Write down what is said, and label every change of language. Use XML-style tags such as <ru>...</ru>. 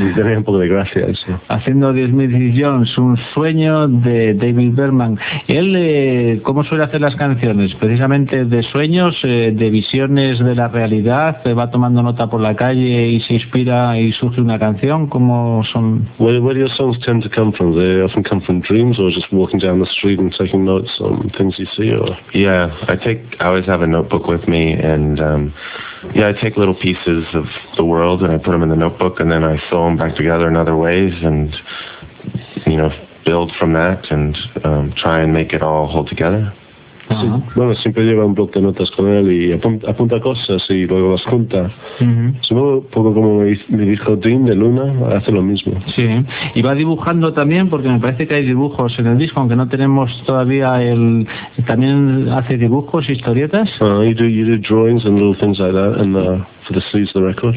<es>Un poco de gracia, sí. Haciendo de Smith y Jones un sueño de David Berman. Él, ¿cómo suele hacer las canciones? Precisamente de sueños, de visiones de la realidad, va tomando nota por la calle y se inspira y surge una canción. ¿Cómo son?</es> <en>Where do your songs tend to come from? They often come from dreams or just walking down the street and taking notes on things you see? Or... Yeah, I always have a notebook with me and... Yeah, I take little pieces of the world and I put them in the notebook and then I sew them back together in other ways and, you know, build from that and try and make it all hold together. Uh-huh.</en> <es>Sí. Bueno, siempre lleva un bloc de notas con él y apunta cosas y luego las junta. Uh-huh. Supongo, poco como me dijo Dean de Luna, hace lo mismo. Sí, y va dibujando también porque me parece que hay dibujos en el disco, aunque no tenemos todavía el... ¿También hace dibujos, historietas?</es> <en>You do drawings and little things like that and, for the sleeves of the record.</en>